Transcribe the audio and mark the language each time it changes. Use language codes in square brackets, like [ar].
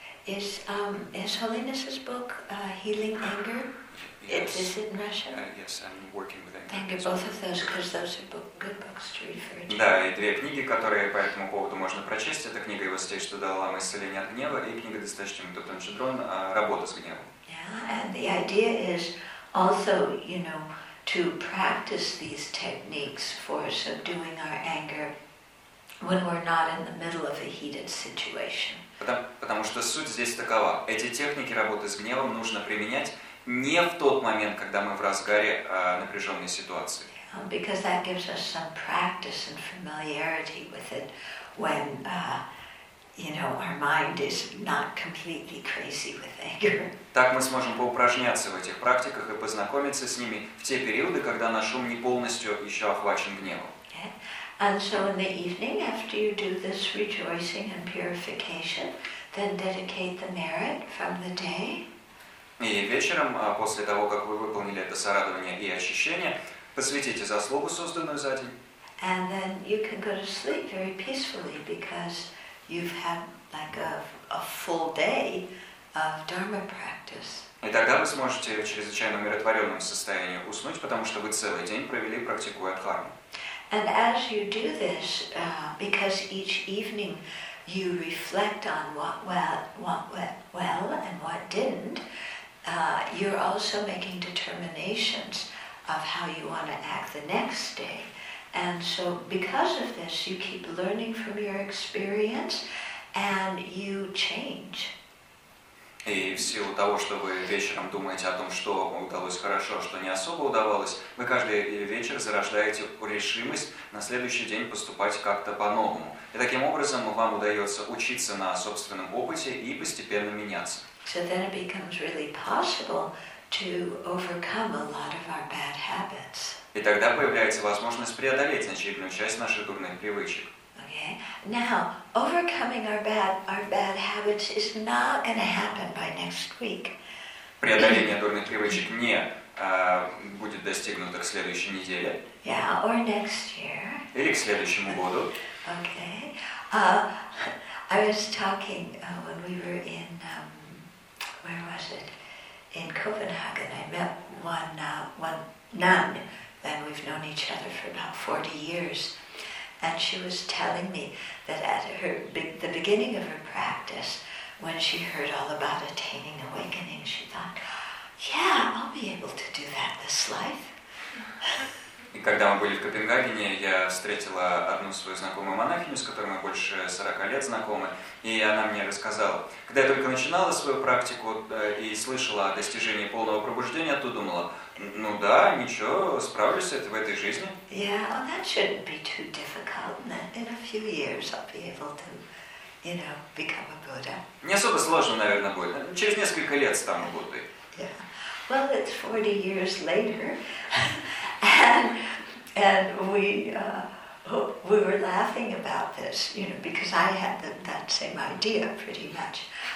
[en] Is Holiness's book Healing Anger? Yes. Is it in Russia? Yes, I'm working with anger. Thank you, both of those, because those are good books to refer to. [ru] Да, и две книги, которые по этому поводу можно прочесть. Это книга его «Стей, что дала вам исцеление от гнева», и книга «Достаточно Мутутан Джедрон» «Работа с гневом». [en] Yeah, and the idea is also, you know, to practice these techniques for subduing our anger when we're not in the middle of a heated situation. [ru] Потому что суть здесь такова. Эти техники работы с гневом нужно применять не в тот момент, когда мы в разгаре напряженной ситуации. [en] Because that gives us some practice and familiarity with it when, you know, our mind is not completely crazy with anger. [ru] Так мы сможем поупражняться в этих практиках и познакомиться с ними в те периоды, когда наш ум не полностью еще охвачен гневом. [en] And so in the evening, after you do this rejoicing and purification, then dedicate the merit from the day. [ru] И вечером, после того, как вы выполнили это сорадование и очищение, посвятите заслугу, созданную за день. [en] And then you can go to sleep very peacefully, because you've had like a full day of dharma practice. [ru] И тогда вы сможете в чрезвычайно умиротворенном состоянии уснуть, потому что вы целый день провели, практикуя дхарму. [en] And as you do this, because each evening you reflect on what went well and what didn't, you're also making determinations of how you want to act the next day. And so because of this, you keep learning from your experience and you change. [ru] И в силу того, что вы вечером думаете о том, что удалось хорошо, что не особо удавалось, вы каждый вечер зарождаете решимость на следующий день поступать как-то по-новому. И таким образом вам удается учиться на собственном опыте и постепенно меняться. [en] So then it becomes really possible to overcome a lot of our bad habits. [ru] И тогда появляется возможность преодолеть значительную часть наших дурных привычек. [en] Okay. Now, overcoming our bad habits is not going to happen by next week. [ru] Преодоление дурных привычек не будет достигнуто к следующей неделе. [en] Yeah, or next year. [ru] Или к следующему году. [en] Okay. I was talking when we were in where was it? In Copenhagen. I met one nun. Then we've known each other for about 40 years. And she was telling me that at the beginning of her practice, when she heard all about attaining awakening, she thought, "Yeah, I'll be able to do that this life." [ru] И когда мы были в Копенгагене, я встретила одну свою знакомую монахиню, с которой мы больше 40 лет знакомы, и она мне рассказала, когда я только начинала свою практику и слышала о достижении полного пробуждения, то думала, ну да, ничего, справлюсь с этим в этой жизни. [en] Yeah, well, that shouldn't be too difficult. In a few years I'll be able to, you know, become a Buddha. [ru] Не особо сложно, наверное, будет. Через несколько лет стану Буддой. [en] Yeah. Well, it's 40 years later. And we were laughing about this, you know, because I had that same idea pretty much.